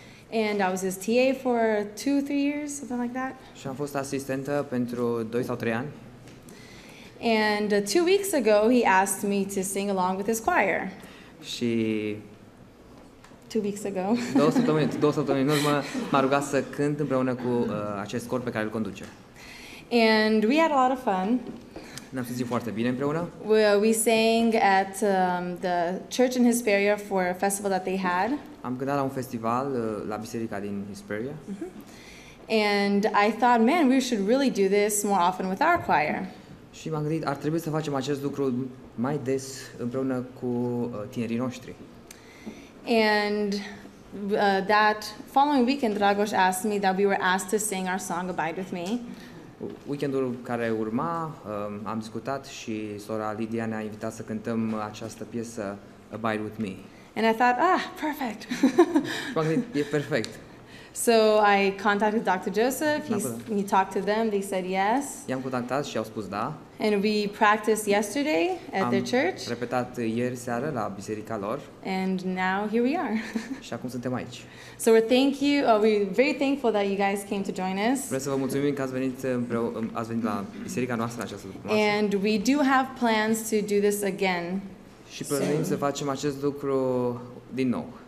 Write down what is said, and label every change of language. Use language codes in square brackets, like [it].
[en] And I was his TA for 2-3 years, something like that. [ro] Și am fost asistentă pentru 2 sau 3 ani. [en] And 2 weeks ago he asked me to sing along with his choir. [ro] Și [en] 2 weeks ago. [ro] Două săptămâni în urmă m-a rugat să cânt împreună cu acest cor pe care îl conduce. [en] And we had a lot of fun. [ro] Ne-am simțit foarte bine împreună. [en] We sang at the church in Hesperia for a festival that they had. [ro] Am cântat la un festival la biserica din Hesperia. [en] And I thought, man, we should really do this more often with our choir. [ro] Și m-am gândit, ar trebui să facem acest lucru mai des împreună cu tinerii noștri. [en] And that following weekend, Dragoș asked me that we were asked to sing our song Abide With Me. [ro] Weekendul care urma, am discutat și sora Lydia ne-a invitat să cântăm această piesă Abide With Me. [en] And I thought, perfect. [ro] E perfect. [en] So I contacted Dr. Joseph. He talked to them. They said yes. [ro] I-am contactat și au spus da. [en] And we practiced yesterday at their church. [ro] Am repetat ieri seară la biserica lor. [en] And now here we are. [ro] Și acum suntem aici. [en] So we're very thankful that you guys came to join us. [ro] Vreau să vă mulțumim că ați venit la biserica noastră această dimineață. [en] And we do have plans to do this again. [ro] Și plănuim să facem acest lucru din nou.